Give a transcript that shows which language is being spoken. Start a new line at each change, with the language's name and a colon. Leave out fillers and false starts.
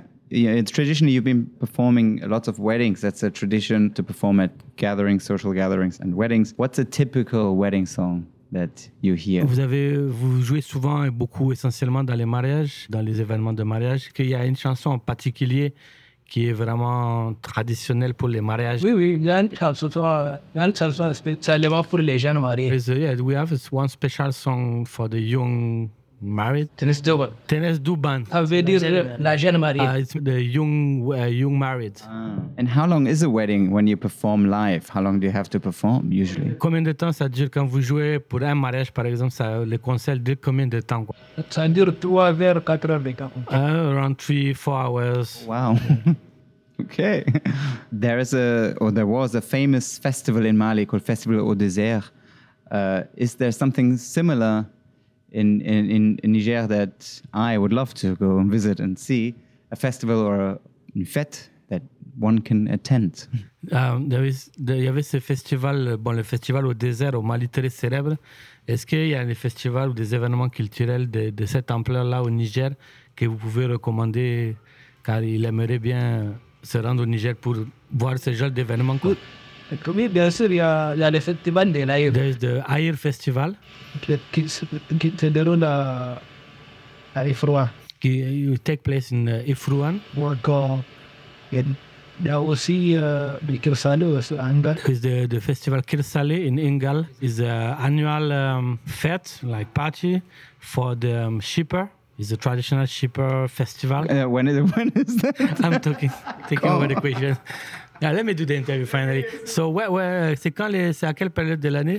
English: Yeah, it's traditionally you've been performing lots of weddings. That's a tradition to perform at gatherings, social gatherings, and weddings. What's a typical wedding song that you hear?
French: Vous jouez souvent et beaucoup essentiellement dans les mariages, dans les événements de mariage. Qu'il y a une chanson en particulier qui est vraiment traditionnelle pour les mariages? Oui, oui, il y a une chanson spécialement pour les jeunes mariés.
English: Yeah, we have one special song for the young married.
French: Tennis Duban. Ça veut dire la jeune mariée.
English: It's the young married. And how long is a wedding when you perform live? How long do you have to perform usually?
French: Combien de temps ça dure quand vous jouez pour un mariage, par exemple, ça le concert dure combien de temps? Ça dure 3 vers 4 heures.
English: Around 3-4 hours. Wow. Okay. There is a, or there was a famous festival in Mali called Festival au Désert. Is there something similar in Niger that I would love to go and visit and see, a festival or a fête that one can attend? There is a festival,
French: bon, le Festival au Désert au Mali, très célèbre. Est-ce qu'il y a un festival ou des événements culturels de cette ampleur-là au Niger que vous pouvez recommander, car il aimerait bien se rendre au Niger pour voir ce genre d'événements? Oui, oui, bien sûr, il y a le festival de l'Aïr.
English: De l'Aïr Festival.
French: Qui se déroule à Ifruan.
English: Qui take place in Ifruan.
French: Ou encore, il y a aussi le Kirsale aussi, à Ingal.
English: The festival Kirsale in Ingal is an annual fête, like party, for the shipper. It's a traditional shipper festival. When is that? I'm taking over the question. Now, let me do the interview finally.
French: So c'est à quelle période de l'année?